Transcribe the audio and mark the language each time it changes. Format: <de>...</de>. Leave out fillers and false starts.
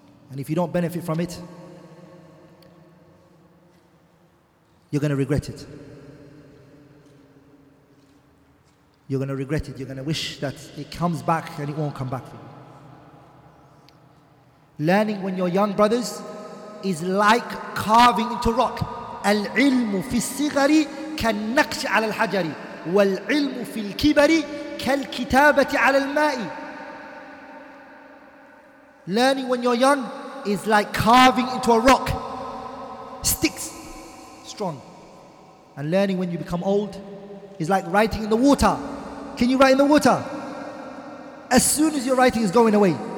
<en>And if you don't benefit from it, you're going to regret it. You're going to regret it, you're going to wish that it comes back and it won't come back for you. Learning when you're young, brothers, is like carving into rock.</en> <ar>العلم في الصغر كالنقش على الحجر والعلم في الكبر كالكتابة على الماء.</ar> <en>Learning when you're young is like carving into a rock. Sticks strong. And learning when you become old is like writing in the water. Can you write in the water? As soon as your writing is going away.</en>